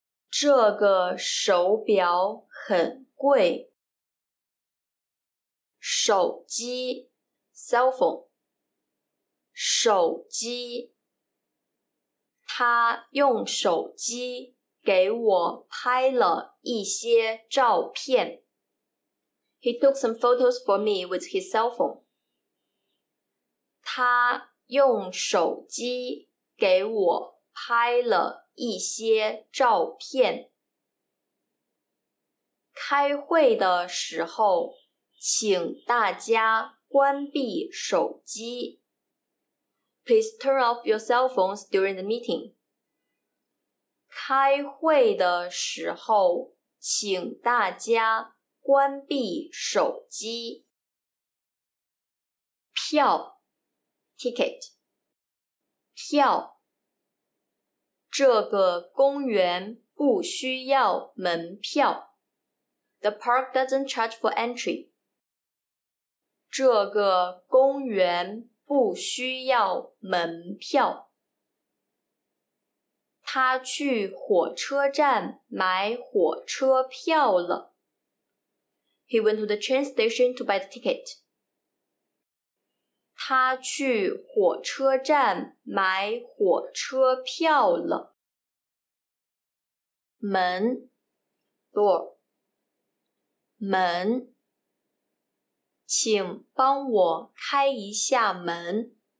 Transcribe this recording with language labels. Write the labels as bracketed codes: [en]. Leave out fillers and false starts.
[zh] 这个手表很贵。手机 [en] cell phone. [zh] 手机，他用手机给我拍了一些照片。 [en] He took some photos for me with his cell phone. [zh] 他用手机给我拍了一些照片。开会的时候请大家关闭手机。 [en] Please turn off your cell phones during the meeting. [zh] 开会的时候请大家关闭手机。票 [en] ticket， [zh] 票。这个公园不需要门票。 [en] The park doesn't charge for entry. [zh] 这个公园不需要门票。他去火车站买火车票了。 [en] He went to the train station to buy the ticket. [zh] 他去火车站买火车票了。门 [en] door， [zh] 门，请帮我开一下门。